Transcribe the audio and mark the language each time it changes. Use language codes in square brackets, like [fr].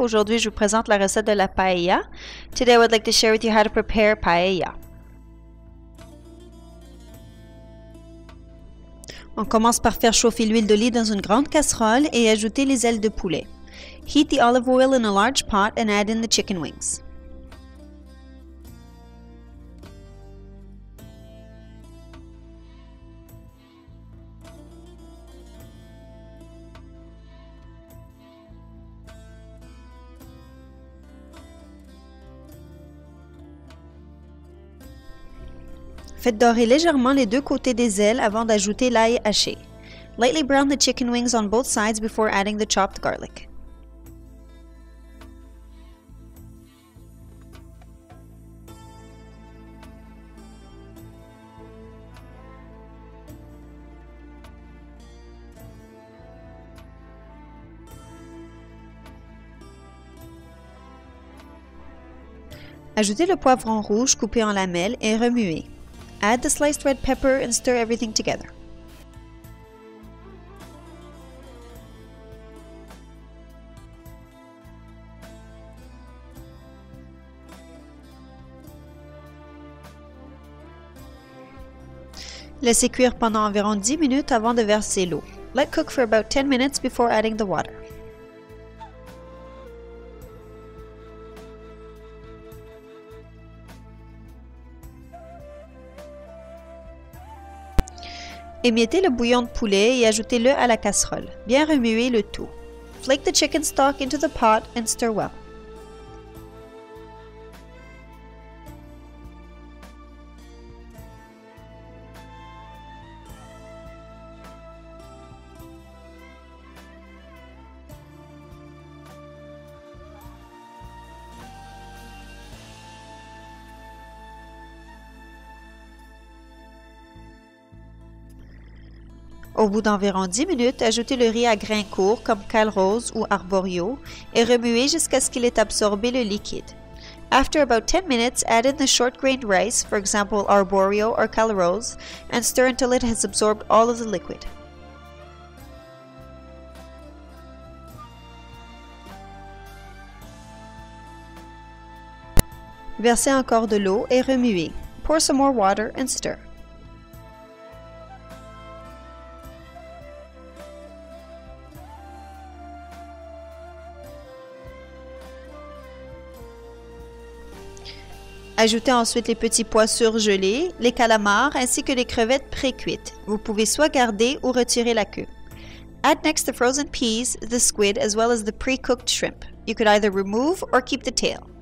[fr] Aujourd'hui, je vous présente la recette de la paella. [en] Today, I would like to share with you how to prepare paella. [fr] On commence par faire chauffer l'huile d'olive dans une grande casserole et ajouter les ailes de poulet. [en] Heat the olive oil in a large pot and add in the chicken wings. [fr] Faites dorer légèrement les deux côtés des ailes avant d'ajouter l'ail haché. [en] Lightly brown the chicken wings on both sides before adding the chopped garlic. [fr] Ajoutez le poivron rouge coupé en lamelles et remuez. [en] Add the sliced red pepper and stir everything together. [fr] Laissez cuire pendant environ 10 minutes avant de verser l'eau. [en] Let cook for about 10 minutes before adding the water. [fr] Émiettez le bouillon de poulet et ajoutez-le à la casserole. Bien remuer le tout. [en] Flake the chicken stock into the pot and stir well. [fr] Au bout d'environ 10 minutes, ajoutez le riz à grains courts comme kale rose ou arborio et remuez jusqu'à ce qu'il ait absorbé le liquide. [en] After about 10 minutes, add in the short-grained rice, for example arborio or kale rose, and stir until it has absorbed all of the liquid. [fr] Versez encore de l'eau et remuez. [en] Pour some more water and stir. [fr] Ajoutez ensuite les petits pois surgelés, les calamars ainsi que les crevettes pré-cuites. Vous pouvez soit garder ou retirer la queue. [en] Add next the frozen peas, the squid as well as the pre-cooked shrimp. You could either remove or keep the tail.